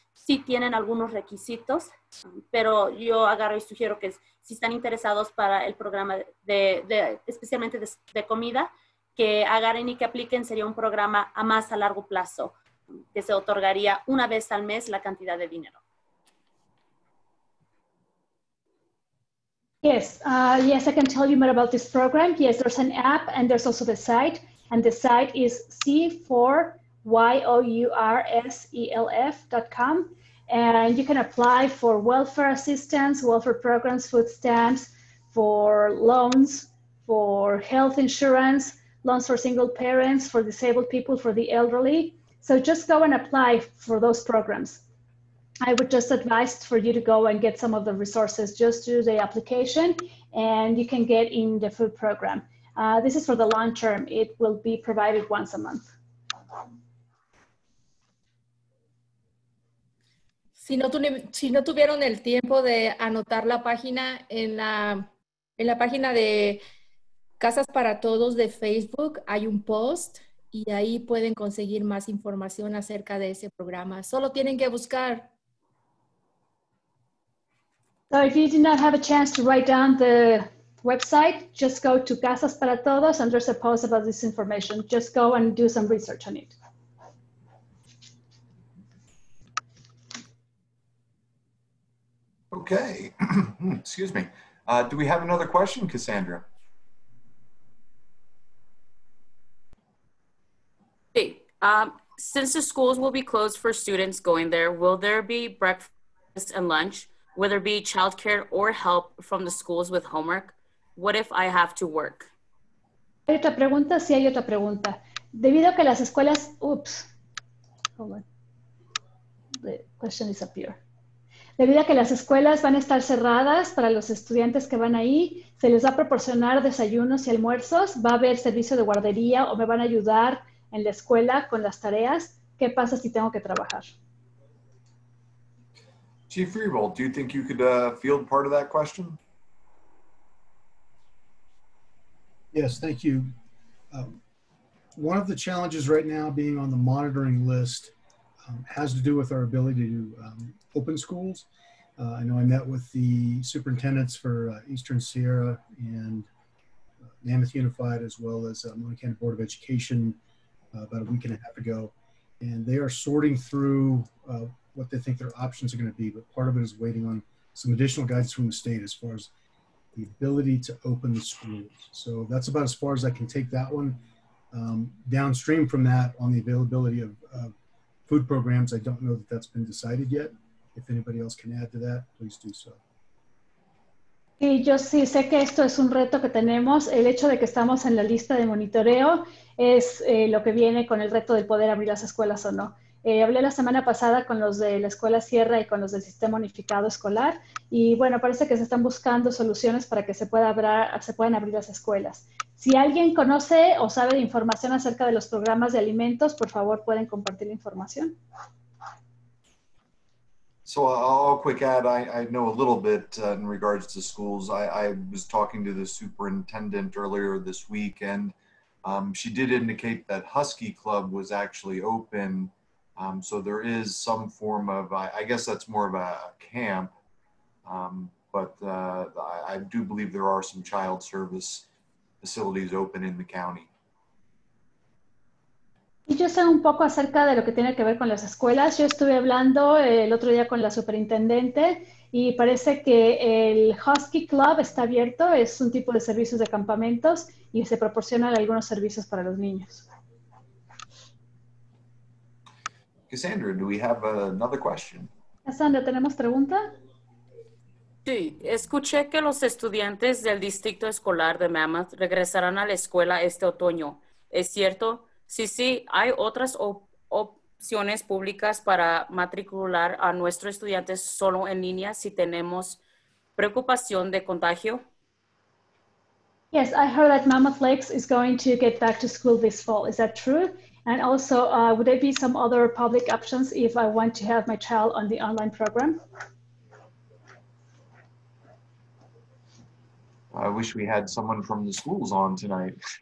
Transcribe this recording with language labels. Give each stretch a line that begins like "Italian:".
Spanish: Sí tienen algunos requisitos, pero yo agarro y sugiero que si están interesados para el programa especialmente de comida, que agarren y que apliquen. Sería un programa a más a largo plazo, que se otorgaría una vez al mes la cantidad de dinero.
English: Yes, yes, I can tell you more about this program. Yes, there's an app and there's also the site, and the site is C4YOURSELF.com, and you can apply for welfare assistance, welfare programs, food stamps, for loans, for health insurance, loans for single parents, for disabled people, for the elderly. So just go and apply for those programs. I would just advise for you to go and get some of the resources just through the application, and you can get in the food program. This is for the long term. It will be provided once a month.
Spanish: Si no tuvieron el tiempo de anotar la página en la página de Casas para Todos de Facebook, hay un post y ahí pueden conseguir más información acerca de ese programa. Solo tienen que buscar.
English: So if you did not have a chance to write down the website, just go to Casas para Todos and there's a post about this information. Just go and do some research on it. Okay, excuse me. Do we have another question, Cassandra? Hey, since the schools will be closed for students going there, will there be breakfast and lunch? Will there be childcare or help from the schools with homework? What if I have to work?
Spanish: Hay otra pregunta, sí hay otra pregunta. Debido a que las escuelas,
English: the question disappeared.
Spanish: Debido a que las escuelas van a estar cerradas para los estudiantes que van ahí, se les va a proporcionar desayunos y almuerzos, va a haber servicio de guardería o me van a ayudar en la escuela con las tareas. ¿Qué pasa si tengo que trabajar?
English: Chief Freebold, do you think you could field part of that question? Yes, thank you. One of the challenges right now being on the monitoring list has to do with our ability to open schools. I know I met with the superintendents for Eastern Sierra and Mammoth Unified, as well as Monona County Board of Education about a week and a half ago. And they are sorting through what they think their options are gonna be, but part of it is waiting on some additional guidance from the state as far as the ability to open the schools. So that's about as far as I can take that one. Downstream from that, on the availability of food programs, I don't know that that's been decided yet. If anybody else can add to that, please do so.
Spanish: Sí, yo sí sé que esto es un reto que tenemos. El hecho de que estamos en la lista de monitoreo es lo que viene con el reto de poder abrir las escuelas o no. Hablé la semana pasada con los de la Escuela Sierra y con los del Sistema Unificado Escolar y bueno, parece que se están buscando soluciones para que se puedan abrir las escuelas. Si alguien conoce o sabe de información acerca de los programas de alimentos, por favor, pueden compartir la información.
English: So I'll quick add, I know a little bit in regards to schools. I was talking to the superintendent earlier this week and she did indicate that Husky Club was actually open. So there is some form of, I guess that's more of a camp, but I do believe there are some child service facilities open in the county.
Spanish: Y yo sé un poco acerca de lo que tiene que ver con las escuelas. Yo estuve hablando el otro día con la superintendente y parece que el Husky Club está abierto. Es un tipo de servicios de campamentos y se proporcionan algunos servicios para los niños.
English: Cassandra, do we have another question?
Spanish: Cassandra, ¿tenemos pregunta? Sí, escuché que los estudiantes del Distrito Escolar de Mammoth regresarán a la escuela este otoño. ¿Es cierto? Sí, sí, ¿hay otras opciones públicas para matricular a nuestros estudiantes solo en línea si tenemos preocupación de contagio?
English: Yes, I heard that Mammoth Lakes is going to get back to school this fall. Is that true? And also, would there be some other public options if I want to have my child on the online program? I wish we had someone from the schools on tonight.